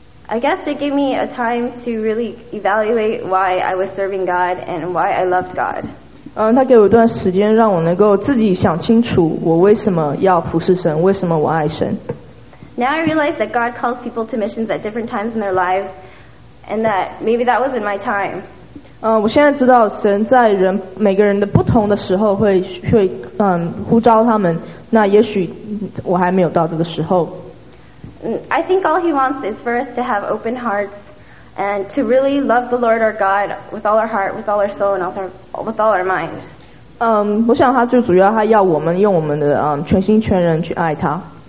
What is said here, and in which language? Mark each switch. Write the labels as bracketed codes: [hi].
[en] I guess it gave me a time to really evaluate why I was serving God and why I loved God. [zh] 他给我一段时间让我能够自己想清楚我为什么要服侍神，为什么我爱神。 [en] Now I realize that God calls people to missions at different times in their lives, and that maybe that wasn't my time. [zh] 我现在知道神在人每个人的不同的时候会呼召他们，那也许我还没有到这个时候。 [en] I think all he wants is for us to have open hearts and to really love the Lord our God with all our heart, with all our soul, and with all our mind. [zh] 我想他最主要他要我们用我们的全心全人去爱他。